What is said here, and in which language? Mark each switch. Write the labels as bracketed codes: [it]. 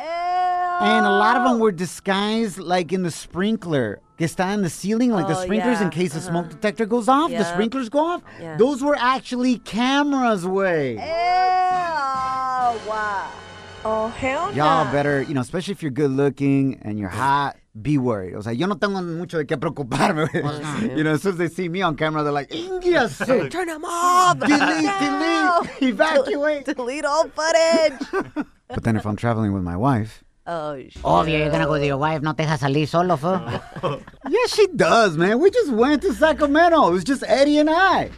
[en] And a lot of them were disguised like in the sprinkler. [es] Que está [en] in the ceiling, like the sprinklers, in case the smoke detector goes off, the sprinklers go off. Yeah. Those were actually cameras, way. Ew. Wow. Oh, hell no. Y'all better, you know, especially if you're good looking and you're hot, be worried. [es] O sea, yo no tengo mucho de qué preocuparme. [en] You know, as soon as they see me on camera, they're like, India, sir. Turn them off. Delete. Evacuate. Delete all footage. But then if I'm traveling with my wife. Oh, shit. [es] Obvio, [en] you're gonna go with your wife. [es] No te deja salir solo, [en] fool. Yeah, she does, man. We just went to Sacramento. It was just Eddie and I.